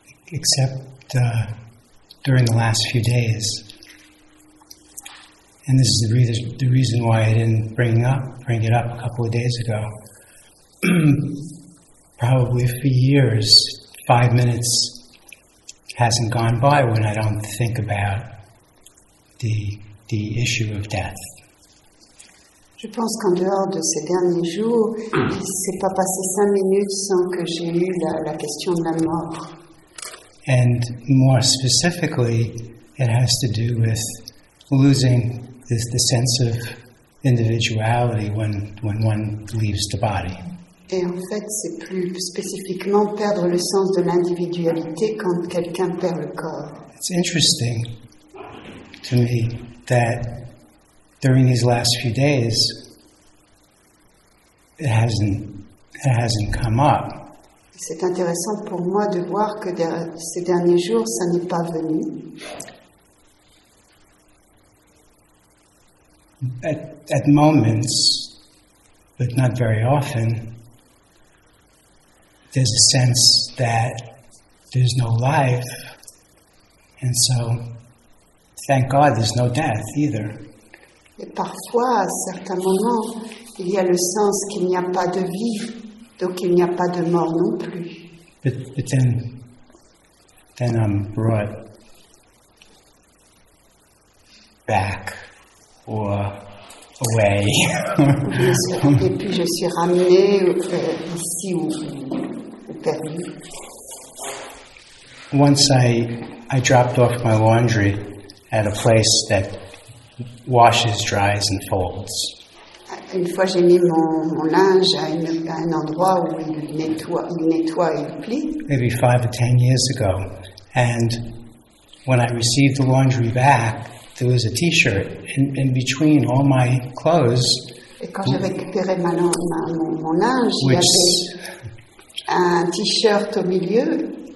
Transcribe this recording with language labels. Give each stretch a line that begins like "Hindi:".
English: Except during the last few days, and this is the reason why I didn't bring it up a couple of days ago. Probably for years, 5 minutes hasn't gone by when I don't think about the issue of death.
French: Je pense qu'en dehors de ces derniers jours, il s'est pas passé 5 minutes sans que j'ai eu la question de la mort.
English: And more specifically, it has to do with losing the sense of individuality when one leaves the body.
French: Et en fait, c'est plus spécifiquement perdre le sens de l'individualité quand quelqu'un perd le corps.
English: It's interesting to me that during these last few days, it hasn't come up.
French: C'est intéressant pour moi de voir que ces derniers jours, ça n'est pas venu.
English: At moments, but not very often, there's a sense that there's no life, and so, thank God, there's no death either.
French: Et parfois, à certains moments, il y a le sens qu'il n'y a pas de vie, donc il n'y a pas de mort non plus.
English: But then I'm brought back or away.
French: Et puis je suis ramenée ici ou perdue.
English: Once I dropped off my laundry at a place that washes, dries and folds.
French: Une fois, j'ai mis mon linge à un endroit où il nettoie et il plie.
English: Maybe 5 or 10 years ago. And when I received the laundry back, there was a t-shirt in between all my clothes.
French: Et quand j'ai récupéré mon linge, il y avait un t-shirt au milieu.